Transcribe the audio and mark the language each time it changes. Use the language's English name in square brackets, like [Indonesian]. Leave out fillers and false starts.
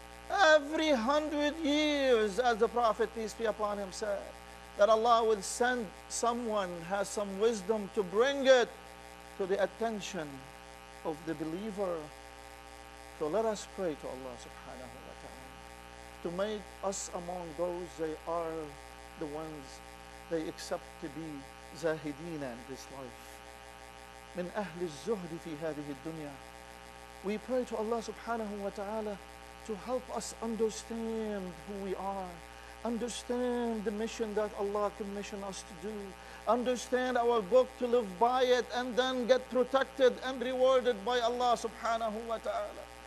[English] Every 100 years, as the Prophet, peace be upon him, said, that Allah will send someone who has some wisdom to bring it to the attention of the believer. So let us pray to Allah subhanahu wa ta'ala to make us among those they are the ones they accept to be زاهدين in this life. [Arabic] من أهل الزهد في هذه الدنيا. [English] We pray to Allah subhanahu wa ta'ala to help us understand who we are, understand the mission that Allah commissioned us to do, understand our book to live by it, and then get protected and rewarded by Allah subhanahu wa ta'ala.